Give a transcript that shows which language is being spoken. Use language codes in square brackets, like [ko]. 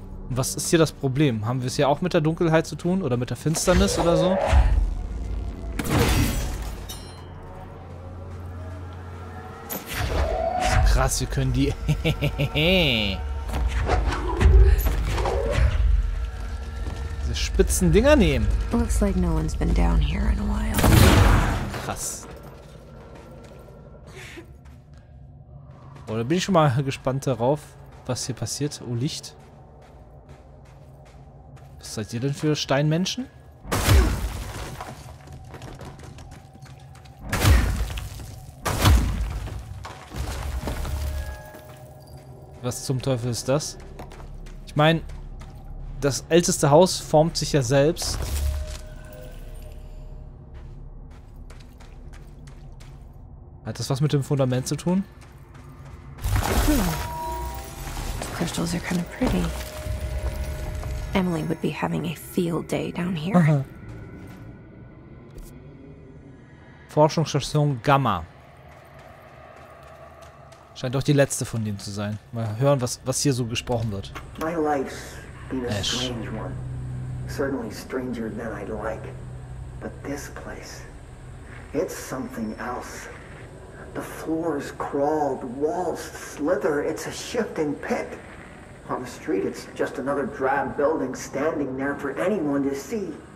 [de] Was ist hier das Problem? Haben wir es hier auch mit der Dunkelheit zu tun? Oder mit der Finsternis oder so? krass, wir können die... Diese spitzen Dinger nehmen. [en] Looks like no one's been down here in a while. [de] Krass. Oh, da bin ich schon mal gespannt darauf, was hier passiert. Oh, Licht. Was seid ihr denn für Steinmenschen? Was zum Teufel ist das? Ich meine, das älteste Haus formt sich ja selbst. Hat das was mit dem Fundament zu tun? [en] Crystals are kind of pretty. Emily would be having a field day down here. [de] Forschungsstation Gamma. Scheint doch die letzte von denen zu sein. Mal hören, was hier so gesprochen wird. [en] My life's been a strange one. Certainly stranger than I'd like. But this place, it's something else. The floors crawl, the walls slither, it's a shifting pit. On the street, it's just another drab building standing there for anyone to see.